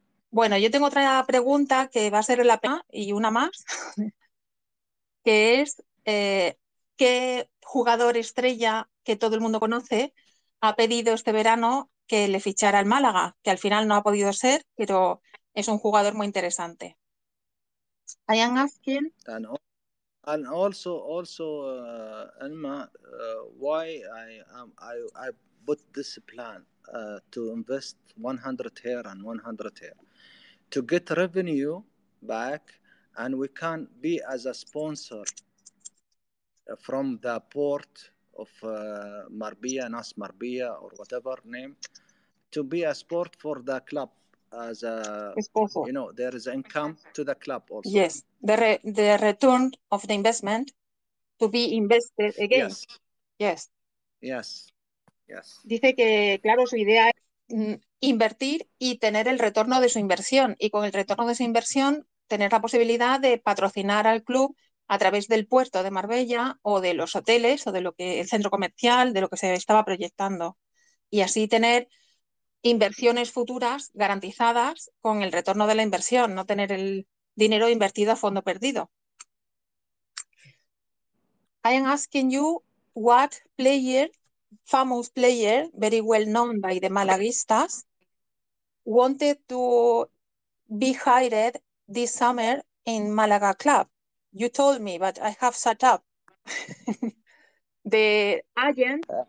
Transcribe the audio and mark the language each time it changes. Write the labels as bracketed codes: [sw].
[es] Bueno, yo tengo otra pregunta que va a ser la pena y una más, que es ¿qué jugador estrella que todo el mundo conoce ha pedido este verano que le fichara el Málaga? Que al final no ha podido ser, pero es un jugador muy interesante. [en] I am asking... And also Alma, why I put this plan to invest 100 here and 100 here? To get revenue back, and we can be as a sponsor from the port of Marbella, Nas Marbella, or whatever name, to be a sport for the club as a, sponsor. You know, there is income to the club also. Yes, the return of the investment to be invested again. Yes. Yes. Yes. Yes. [es] Dice que, claro, su idea es invertir y tener el retorno de su inversión, y con el retorno de su inversión tener la posibilidad de patrocinar al club a través del puerto de Marbella o de los hoteles o de lo que el centro comercial, de lo que se estaba proyectando, y así tener inversiones futuras garantizadas con el retorno de la inversión, no tener el dinero invertido a fondo perdido. [en] I am asking you what player, famous player, very well known by the Malaguistas, wanted to be hired this summer in Malaga Club. You told me, but I have set up the agent.